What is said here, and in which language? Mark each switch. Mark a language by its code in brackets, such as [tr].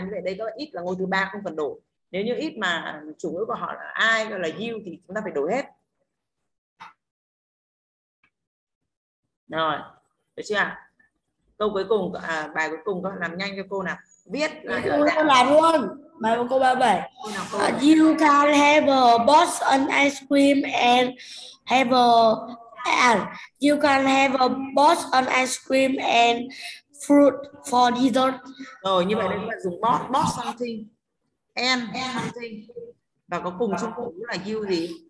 [vi] Như vậy đây có it là ngôi thứ ba không cần đổi. Nếu như it mà chủ ngữ của họ là ai gọi là you thì chúng ta phải đổi hết. Rồi, được chưa? Câu cuối cùng, à, bài cuối cùng các bạn làm nhanh cho cô nào. Viết là cô đã làm luôn. Bài của cô 37. [en] You can have a box of ice cream and have a you can have a box of ice cream and fruit for dessert. [vi] Rồi, như vậy đây các bạn dùng box, [en] box something and something. [vi] Và có cùng trong cụm là you gì?